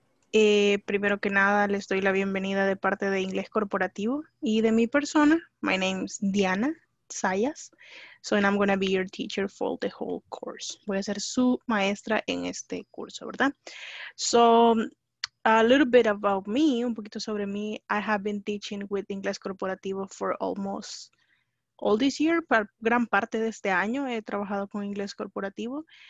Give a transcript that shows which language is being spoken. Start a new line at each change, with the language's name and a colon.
Spanish: Primero que nada, les doy la bienvenida de parte de Inglés Corporativo y de mi persona.
English: My name is Diana Sayas, so and I'm gonna be your teacher for the whole course.
Spanish: Voy a ser su maestra en este curso, ¿verdad?
English: So, a little bit about me,
Spanish: un poquito sobre mí.
English: I have been teaching with Inglés Corporativo for almost all this year,
Spanish: gran parte de este año he trabajado con Inglés Corporativo.